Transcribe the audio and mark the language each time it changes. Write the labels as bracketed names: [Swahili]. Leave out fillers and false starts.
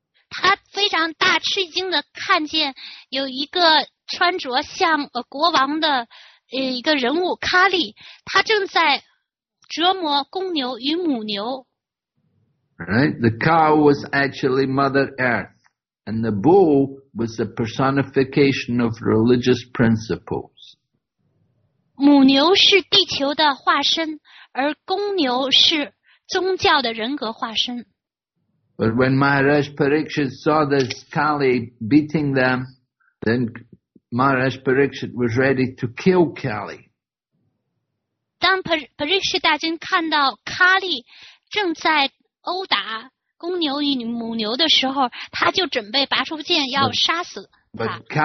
[Chinese] 他非常大吃惊地看见有一个穿着像国王的一个人物 Kali, 他正在折磨公牛与母牛。 [English] Right? The cow was actually Mother Earth. And the bull was the personification of religious principles. [Chinese] 母牛是地球的化身，而公牛是宗教的人格化身。 [English] But when Maharaj Parikshit saw this Kali beating them, then Maharaj Parikshit was ready to kill Kali. [Chinese] 当 Parikshit 大军看到 Kali 正在殴打公牛与母牛的时候，他就准备拔出剑要杀死他。